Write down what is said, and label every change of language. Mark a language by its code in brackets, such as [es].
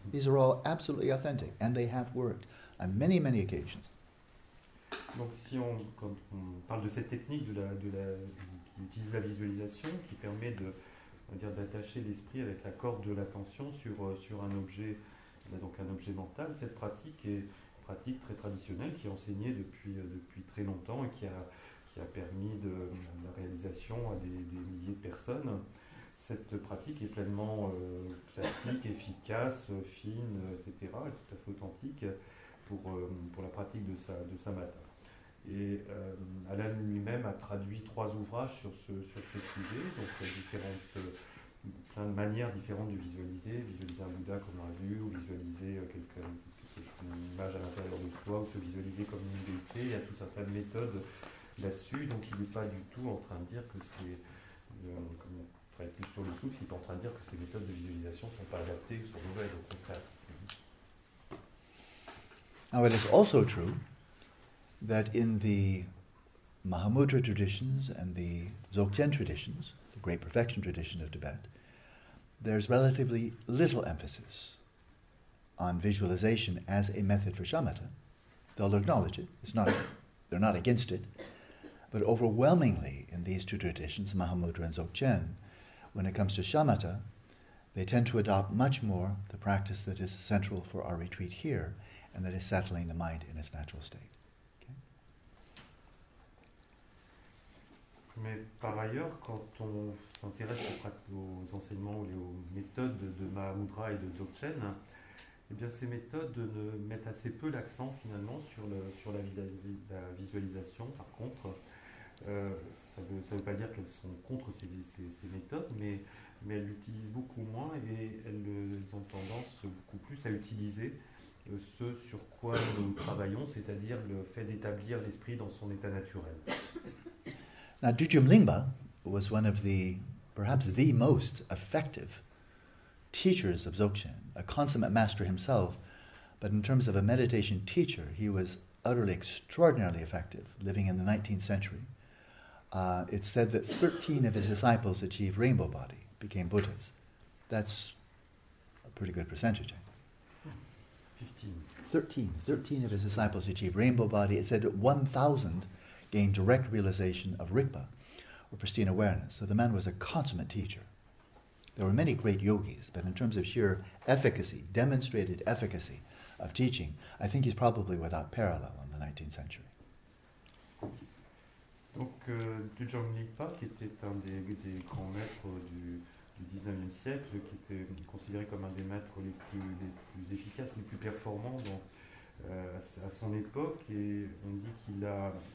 [en] These are all absolutely authentic, and they have worked on many, many occasions. [fr] Donc si on, quand on parle de cette technique qui utilise la visualisation, qui permet de, on va dire, d'attacher l'esprit avec la corde de l'attention sur un objet, donc un objet mental, cette pratique est une pratique très traditionnelle qui est enseignée depuis très longtemps et qui a permis la réalisation à des milliers de personnes. Cette pratique est pleinement classique, efficace, fine, etc., est tout à fait authentique pour la pratique de Shamatha. Et Alan lui-même a traduit 3 ouvrages sur ce sujet, donc plein de manières différentes de visualiser un Bouddha comme on a vu, ou visualiser une image à l'intérieur de soi, ou se visualiser comme une déité. Il y a tout un tas de méthodes là-dessus, donc il n'est pas du tout en train de dire que c'est, comme on travaille plus sur le souffle, il est en train de dire que ces méthodes de visualisation ne sont pas adaptées ou sont mauvaises, au contraire. [en] Now it is also true that in the Mahamudra traditions and the Dzogchen traditions, the great perfection tradition of Tibet, there's relatively little emphasis on visualization as a method for shamatha. They'll acknowledge it. They're not against it. But overwhelmingly in these 2 traditions, Mahamudra and Dzogchen, when it comes to shamatha, they tend to adopt much more the practice that is central for our retreat here, and that is settling the mind in its natural state. [fr] Mais par ailleurs, quand on s'intéresse aux enseignements ou aux méthodes de Mahamudra et de Dzogchen, eh bien ces méthodes mettent assez peu l'accent finalement sur la visualisation. Par contre, ça veut pas dire qu'elles sont contre ces méthodes, mais elles l'utilisent beaucoup moins et elles ont tendance beaucoup plus à utiliser ce sur quoi nous travaillons, c'est-à-dire le fait d'établir l'esprit dans son état naturel. [en] Now, Dujum Lingba was one of the, perhaps the most effective teachers of Dzogchen, a consummate master himself, but in terms of a meditation teacher, he was utterly extraordinarily effective, living in the 19th century. It's said that 13 of his disciples achieved rainbow body, became Buddhas. That's a pretty good percentage. 13 of his disciples achieved rainbow body. It's said that 1,000 gain direct realization of rikpa, or pristine awareness. So the man was a consummate teacher. There were many great yogis, but in terms of sheer efficacy, demonstrated efficacy of teaching, I think he's probably without parallel in the 19th century. [fr] Donc, Dujong Nipa, qui était un des grands maîtres du 19e siècle, qui était considéré comme un des maîtres les plus efficaces, les plus performants à son époque, et on dit qu'il a...